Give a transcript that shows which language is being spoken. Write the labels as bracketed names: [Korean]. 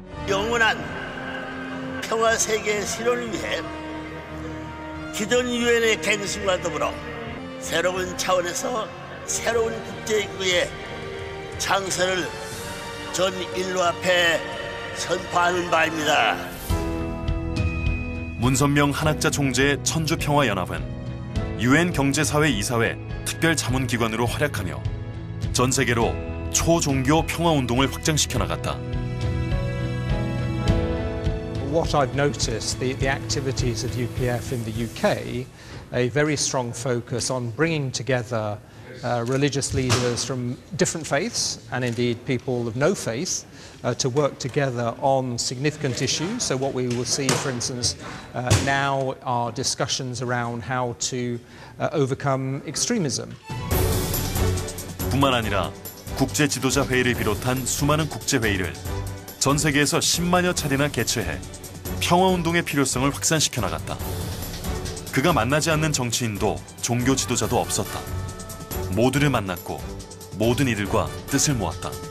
[Korean] 영원한 평화 세계의 실현을 위해 기존 유엔의 갱신과 더불어 새로운 차원에서 새로운 국제기구의 창설을 전 인류 앞에 선포하는 바입니다. 문선명 한학자 총재의 천주평화연합은 유엔 경제사회 이사회 특별자문기관으로 활약하며 전 세계로 초종교 평화운동을 확장시켜 나갔다. [English] What I've noticed, the activities of UPF in the UK, a very strong focus on bringing together religious leaders from different faiths and indeed people of no faith to work together on significant issues. So what we will see, for instance, now are discussions around how to overcome extremism. [Korean] 뿐만 아니라 국제 지도자 회의를 비롯한 수많은 국제 회의를 전 세계에서 10만여 차례나 개최해 평화운동의 필요성을 확산시켜 나갔다. 그가 만나지 않는 정치인도 종교 지도자도 없었다. 모두를 만났고 모든 이들과 뜻을 모았다.